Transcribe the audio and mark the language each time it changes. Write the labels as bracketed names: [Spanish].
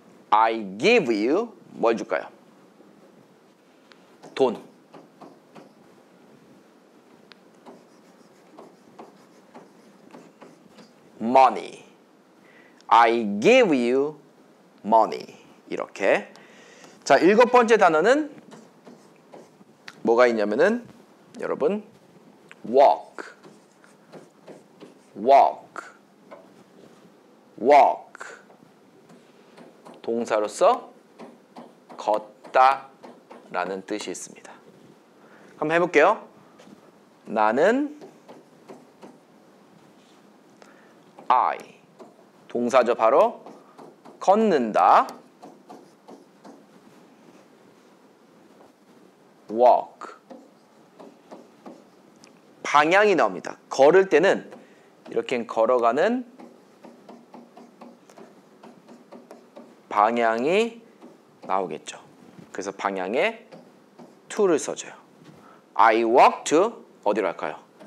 [English] I give you [Korean] 뭘 줄까요? 돈. [English] 머니. I give you money. [Korean] 이렇게. 자, 일곱 번째 단어는 뭐가 있냐면은 여러분 walk. [English] walk. walk. [Korean] 동사로서 걷다라는 뜻이 있습니다. 한번 해 볼게요. 나는 I 동사죠. 바로 걷는다. walk 방향이 나옵니다. 걸을 때는 이렇게 걸어가는 방향이 나오겠죠. 그래서 방향에 to를 써줘요. [English] I walk to [Korean] 어디로 할까요?